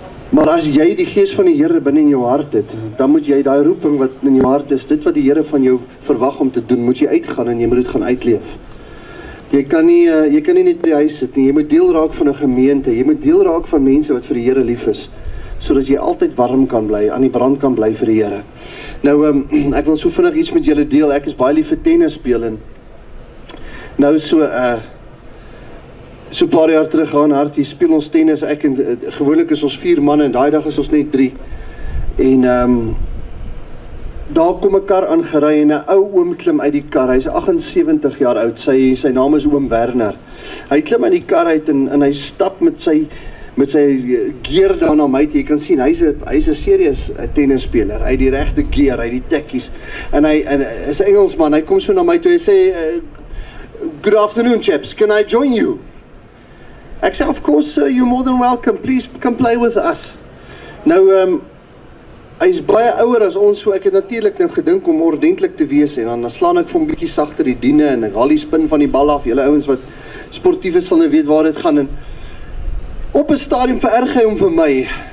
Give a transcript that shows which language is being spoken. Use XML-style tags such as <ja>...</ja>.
<af>Maar as jy die gees van die Here binne in jou hart het, dan moet jy daai roeping wat in jou hart is, dit wat die Here van jou verwag om te doen, moet jy uitgaan en jy moet dit gaan uitleef. Jy kan nie net by die huis sit nie. Jy moet deel raak van 'n gemeente. Jy moet deel raak van mense wat vir die Here lief is, sodat jy altyd warm kan bly, aan die brand kan bly vir die Here. Nou ek wil so vinnig iets met julle deel. Ek is baie lief vir tennis speel en nou so paar jaar terug gaan hartie speel ons tennis ek en gewoonlik is ons 4 manne en daai dag is ons net 3. En daar kom 'n kar aangery en 'n ou oom klim uit die kar. Hy's 78 jaar oud. Sy naam is oom Werner. Hy klim uit die kar uit en hy stap met sy gear daar na my toe. Jy kan sien hy's 'n serieus tennisspeler. Hy het die regte gear, hy het die tikkies. En hy is 'n Engelsman. Hy kom so na my toe. Hy sê</af> <en>good afternoon chaps. Can I join you?</en> <af>Ek sê,</af> <en>of course sir, you're more than welcome. Please come play with us.</en> <af>Nou, hy is baie ouer as ons, so ek het natuurlik nou gedink om ordentlik te wees en dan slaan ek vir hom bietjie sagter die diene en ek haal die spin van die bal af. Julle ouens wat sportief is sal nou weet waar dit gaan en op 'n stadium vererg hy hom vir my.</af>